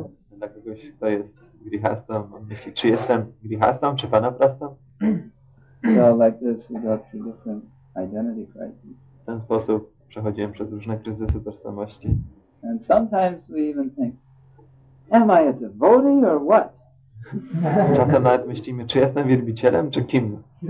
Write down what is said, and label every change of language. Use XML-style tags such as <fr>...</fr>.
<pl>Dla kogoś, kto jest grihastą, on myśli, czy jestem grihastą, czy vanaprastha?</pl> <en>So like this we go through different identity crises.</en> <pl>W ten sposób przechodziłem przez różne kryzysy tożsamości.</pl> <en>And sometimes we even think, am I a devotee or what?</en> <pl>Czasem nawet myślimy, czy jestem wielbicielem, czy kim?</pl>